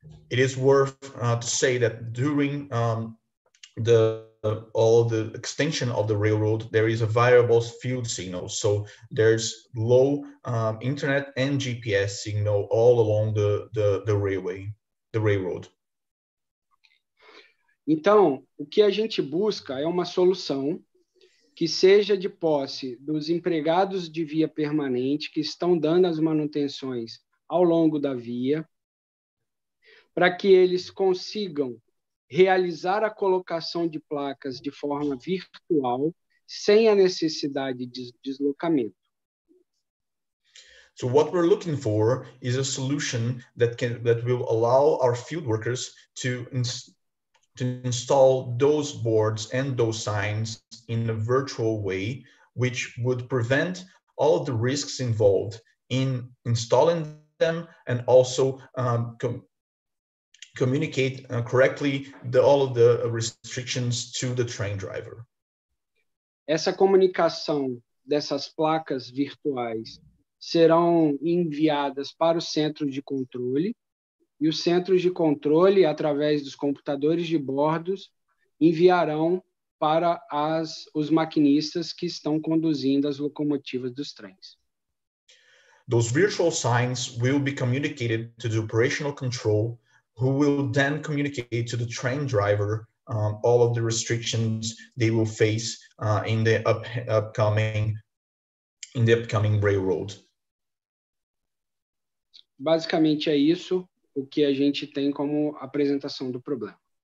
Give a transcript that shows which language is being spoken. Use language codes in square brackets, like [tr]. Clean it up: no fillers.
[en] It is worth to say that during the all the extension of the railroad, there is a variable field signal. So there's low internet and GPS signal all along the railway, the railroad. [pt] Então, o que a gente busca é uma solução que seja de posse dos empregados de via permanente que estão dando as manutenções ao longo da via, para que eles consigam realizar a colocação de placas de forma virtual, sem a necessidade de deslocamento. [en] So what we're looking for is a solution that can that will allow our field workers to install those boards and those signs in a virtual way, which would prevent all of the risks involved in installing them and also communicate correctly all of the restrictions to the train driver. [pt] Essa comunicação dessas placas virtuais serão enviadas para o centro de controle, e os centros de controle, através dos computadores de bordos, enviarão para os maquinistas que estão conduzindo as locomotivas dos trens. [en] Those virtual signs will be communicated to the operational control, who will then communicate to the train driver all of the restrictions they will face in the upcoming railroad. [pt] Basicamente é isso o que a gente tem como apresentação do problema.